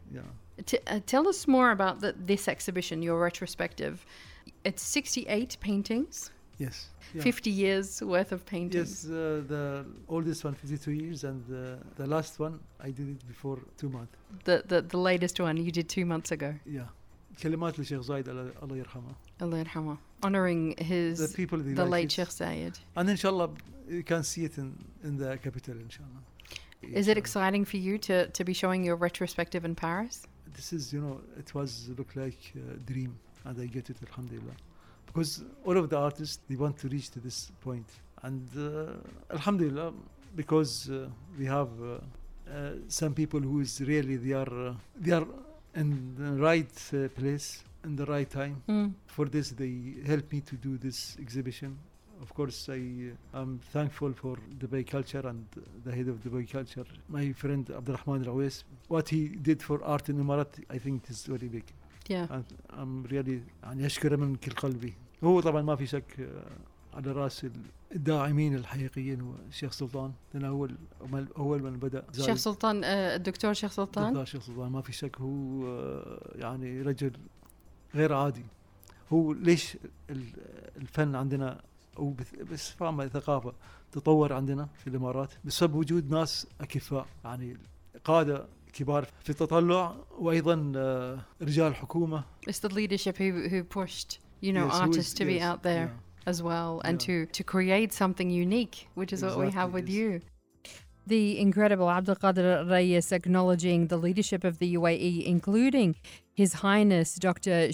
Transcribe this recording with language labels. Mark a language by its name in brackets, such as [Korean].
[English] Yeah. Tell us more about this exhibition, your retrospective. It's 68 paintings. Yes. Yeah. 50 years worth of paintings. Yes, the oldest one, 52 years, and the last one, I did it before 2 months. The latest one, you did 2 months ago. Yeah. [Arabic] كلمات لشيخ زايد الله يرحمه. الله يرحمه. [English] Honoring his the people the late Sheikh Zayed. And inshallah, you can see it in the capital, inshallah. Yes. Is it exciting for you to be showing your retrospective in Paris? This is, you know, it was look like a dream, and I get it, alhamdulillah. Because all of the artists, they want to reach to this point. And alhamdulillah, because we have some people who is really they are in the right place in the right time. For this, they helped me to do this exhibition. Of course, I'm thankful for Dubai Culture and the head of Dubai Culture, my friend Abdulrahman Rawis. What he did for art in Emirati, I think it is very big. Yeah. And I'm really, [Arabic] يعني أشكره من كل قلبي. هو طبعا ما في شك على رأس الداعمين الحقيقيين هو الشيخ سلطان. لأنه هو الأول من بدأ. الشيخ سلطان الدكتور الشيخ سلطان. الدكتور الشيخ سلطان ما في شك هو يعني رجل غير عادي. هو ليش الفن عندنا أو بس فهم الثقافة تطور عندنا في الإمارات بسبب وجود ناس أكفاء يعني قادة كبار في التطلع وأيضا رجال حكومة. [English] It's the leadership who pushed you know artists to be out there as well and to create something unique, which is what we have with you. The incredible Abdulqader Rais acknowledging the leadership of the UAE, including His Highness Dr.